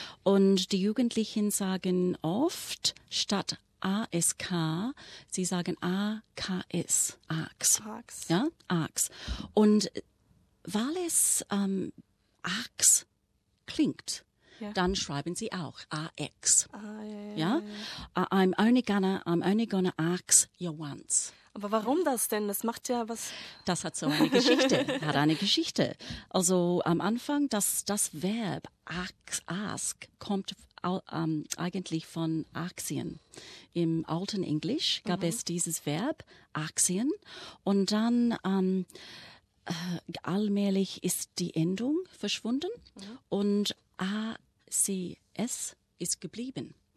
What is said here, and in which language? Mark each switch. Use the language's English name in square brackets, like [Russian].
[German] Und die Jugendlichen sagen oft statt ASK, sie sagen AKS, AKS. Ja, AKS. Und weil es AKS klingt, dann schreiben sie auch AX. [English] I'm only gonna ask you once. [German] Aber warum das denn? Das macht ja was. Das hat so eine Geschichte. Hat eine Geschichte. Also am Anfang, das Verb ask kommt eigentlich von Aktien. Im alten Englisch gab es dieses Verb Aktien. Und dann allmählich ist die Endung verschwunden und ACS ist geblieben.